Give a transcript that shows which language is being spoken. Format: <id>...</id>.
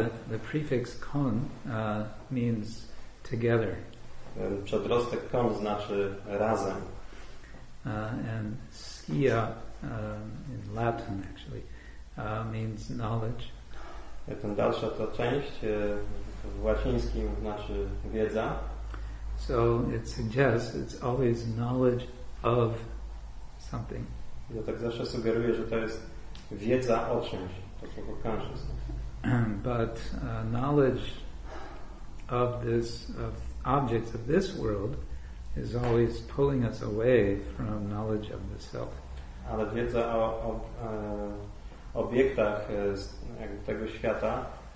<en>The prefix kon means together.</en> <pl>Przedrostek kon znaczy razem.</pl> <en>And skia in Latin actually. Means knowledge.</en> <pl>Ten dalsza ta część w łacińskim znaczy wiedza.</pl> <en>So it suggests it's always knowledge of something.</en> <pl>Ja tak zawsze sugeruję, że to jest wiedza o czymś, to słowo consciousness.</pl> <en>But knowledge of this, of objects of this world is always pulling us away from knowledge of the self.</en> <pl>Ale wiedza o obiektach tego świata</pl>